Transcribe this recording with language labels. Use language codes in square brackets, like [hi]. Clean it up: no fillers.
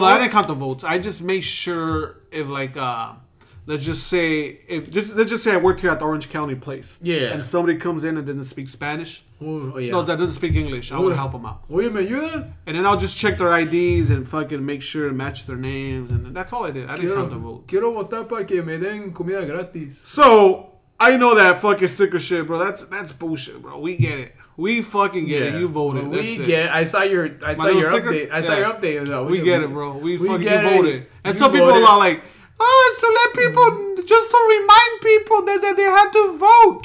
[en] No, I didn't count the votes. I just made sure if, like, Let's just say I worked here at the Orange County place. Yeah. And somebody comes in and doesn't speak Spanish. Oh, yeah. No, that doesn't speak English. I would help them out. Wait a minute, you there? And then I'll just check their IDs and fucking make sure to match their names. And that's all I did. I didn't count the votes. [es] Quiero votar para que me den comida gratis. [en] So, I know that fucking sticker shit, bro. That's bullshit, bro. We get it. We fucking get it. You voted. Well, I saw your update. We get it, bro. We fucking voted. And some people are like... Oh, it's to let people, just to remind people that they have to vote.